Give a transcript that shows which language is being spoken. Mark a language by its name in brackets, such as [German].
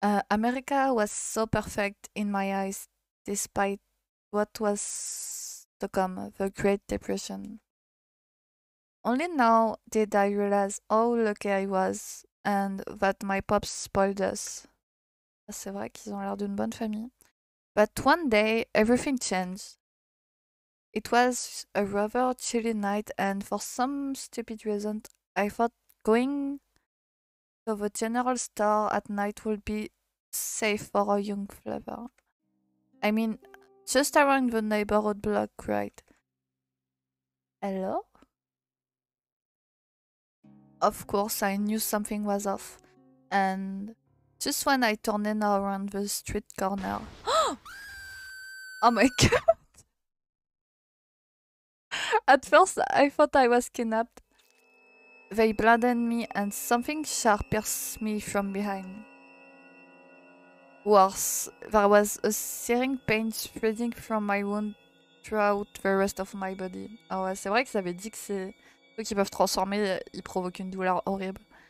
[English] America was so perfect in my eyes, despite what was to come, the Great Depression. Only now did I realize how lucky I was and that my pops spoiled us. [French] C'est vrai qu'ils ont l'air d'une bonne famille. [English] But one day, everything changed. It was a rather chilly night, and for some stupid reason, I thought going to the general store at night would be safe for a young lover. I mean, just around the neighborhood block, right? Hello? Of course, I knew something was off, and just when I turned in around the street corner. Oh my god! At first, I thought I was kidnapped. They blinded me, and something sharp pierced me from behind. Worse, there was a searing pain spreading from my wound throughout the rest of my body. [French] Ah ouais, c'est vrai que ça avait dit que c'est. Qui peuvent transformer, ils provoquent une douleur horrible.